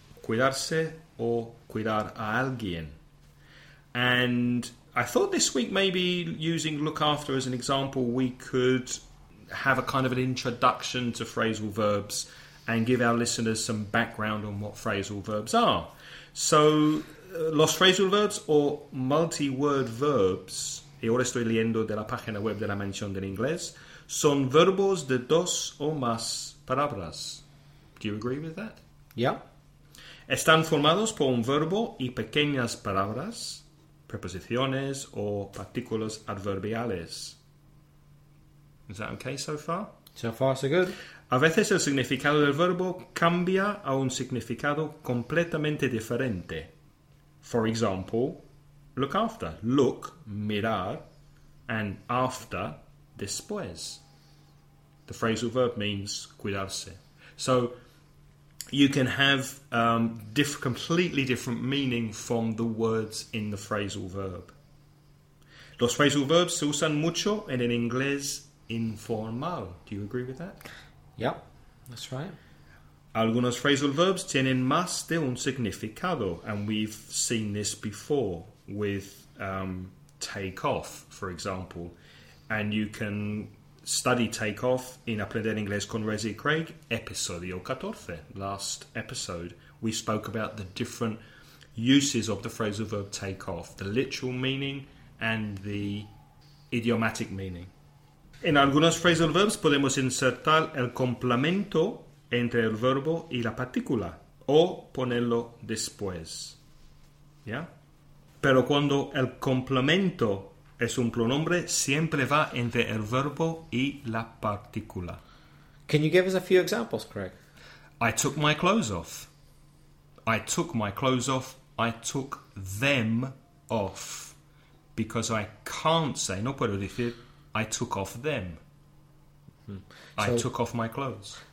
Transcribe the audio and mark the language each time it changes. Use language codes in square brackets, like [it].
[es] Cuidarse [en] or [es] cuidar a alguien. [en] And I thought this week maybe using look after as an example, we could have a kind of an introduction to phrasal verbs and give our listeners some background on what phrasal verbs are. [es] So, los phrasal verbs [en] or multi-word verbs, [es] y ahora estoy leyendo de la página web de la mención del inglés, son verbos de dos o más palabras. [en] Do you agree with that? Yeah. [es] Están formados por un verbo y pequeñas palabras, preposiciones o partículas adverbiales. [en] Is that okay so far? So far, so good. [es] A veces el significado del verbo cambia a un significado completamente diferente. [en] For example, look after. Look, [es] mirar, [en] and after, [es] después. [en] The phrasal verb means [es] cuidarse. [en] So, you can have completely different meaning from the words in the phrasal verb. [es] Los phrasal verbs se usan mucho en el inglés informal. [en] Do you agree with that? Yep, that's right. [es] Algunos phrasal verbs tienen más de un significado, [en] and we've seen this before with take off, for example. And you can study take off in Aprender Inglés con Resi Craig, episodio 14, last episode. We spoke about the different uses of the phrasal verb take off, the literal meaning and the idiomatic meaning. [es] En algunos phrasal verbs podemos insertar el complemento entre el verbo y la partícula o ponerlo después. ¿Ya? Pero cuando el complemento es un pronombre, siempre va entre el verbo y la partícula. [en] Can you give us a few examples, Craig? I took my clothes off. I took my clothes off. I took them off. Because I can't say, [es] no puedo decir, [en] I took off them. Mm-hmm. So I took off my clothes.